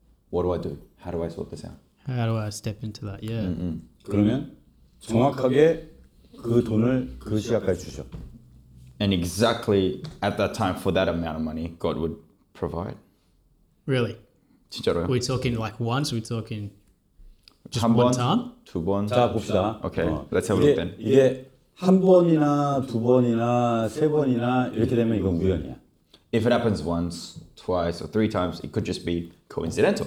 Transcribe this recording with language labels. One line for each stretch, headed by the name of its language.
English: What do I do? How do I sort this out? How do I step into that? Yeah.
Korean: 그러면 정확하게 그 돈을 그 시각까지 주셔.
English: And exactly at that time for that amount of money, God would provide. Really?
Korean: 진짜로요?
English: We're talking like once, we're talking just
Korean: 한 번,
English: one time?
Korean: 두 번. 자, 봅시다.
English: Okay, let's have a look then.
Korean: 이게 한 번이나 두 번이나 세 번이나 이렇게 되면 이건 우연이야.
English: If it happens once, twice, or three times, it could just be coincidental.